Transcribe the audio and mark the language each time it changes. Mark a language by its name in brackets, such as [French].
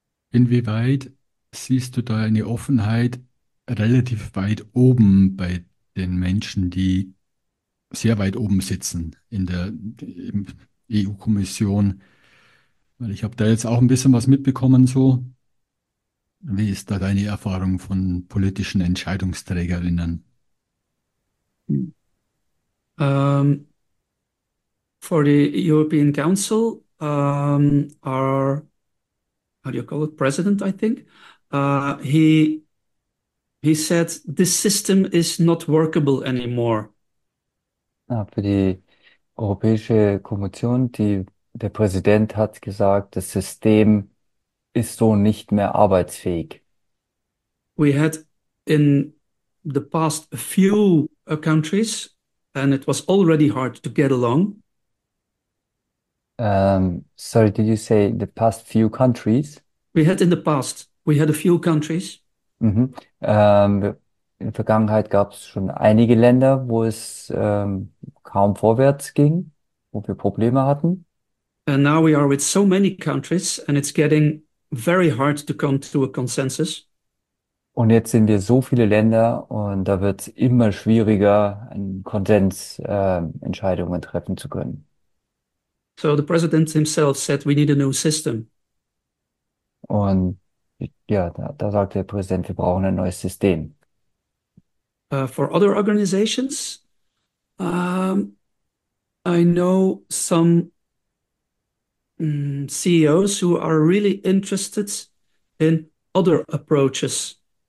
[German] Inwieweit siehst du da eine Offenheit relativ weit oben bei den Menschen, die sehr weit oben sitzen in der EU-Kommission? Weil ich habe da jetzt auch ein bisschen was mitbekommen, so. Wie ist da deine Erfahrung von politischen Entscheidungsträgerinnen? [English] For the European Council, our, how do you call it, president, I think, he said this system is not workable anymore. [German] Für die Europäische Kommission, der Präsident hat gesagt, das System ist so nicht mehr arbeitsfähig. [English] We had in the past a few countries. And it was already hard to get along. Sorry, did you say in the past few countries? We had in the past, we had a few countries. [German] In der Vergangenheit gab es schon einige Länder, wo es kaum vorwärts ging, wo wir Probleme hatten. [English] And now we are with so many countries, and it's getting very hard to come to a consensus. [German] Und jetzt sind wir so viele Länder, und da wird es immer schwieriger, einen Konsens Entscheidungen treffen zu können. [English] So the president himself said we need a new system. [German] Und ja, da sagt der Präsident, wir brauchen ein neues System. [English] For other organizations, I know some CEOs who are really interested in other approaches.